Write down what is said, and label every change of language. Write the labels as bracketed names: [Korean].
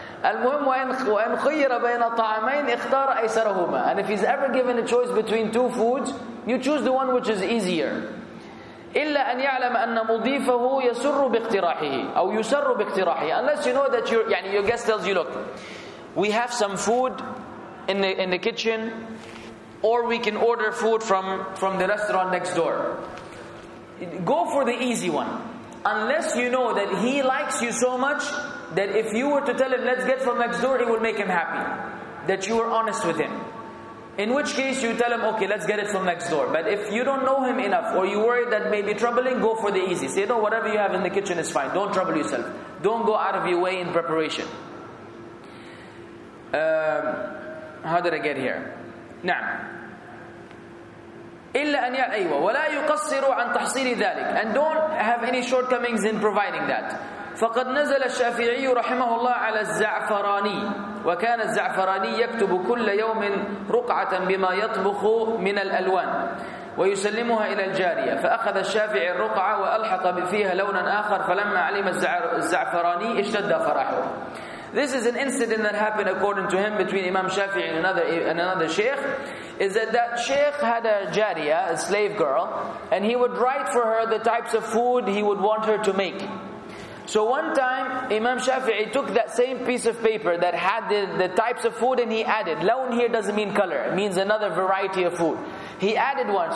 [Arabic] المهم وإن خير بين طعامين اختار أيسرهما. [English] And if he's ever given a choice between two foods, you choose the one which is easier. [Arabic] إلا أن يعلم أن مضيفه يسر باقتراحه أو يسر باقتراحه. [English] Unless you know that your guest tells you, look, we have some food in the kitchen, or we can order food from the restaurant next door. Go for the easy one. Unless you know that he likes you so much that if you were to tell him let's get from next door, it would make him happy. That you were honest with him. In which case you tell him, okay, let's get it from next door. But if you don't know him enough, or you worry that may be troubling, go for the easy. Say, no, whatever you have in the kitchen is fine. Don't trouble yourself. Don't go out of your way in preparation. How did I get here? [Arabic] نعم. إلا أن يأيوا ولا يقصروا عن تحصيل ذلك. [English] And don't have any shortcomings in providing that. [Arabic] فقد نزل الشافعي رحمه الله على الزعفراني وكان الزعفراني يكتب كل يوم رقعة بما يطبخ من الألوان ويسلمها إلى الجارية فأخذ الشافعي الرقعة وألحق فيها لونا آخر فلما علم الزعفراني اشتد فرحه. [English] This is an incident that happened according to him between Imam Shafi'i and another sheikh. Is that sheikh had a jariya, a slave girl, and he would write for her the types of food he would want her to make. So one time, Imam Shafi'i took that same piece of paper that had the types of food, and he added, lawn here doesn't mean color, it means another variety of food. He added one.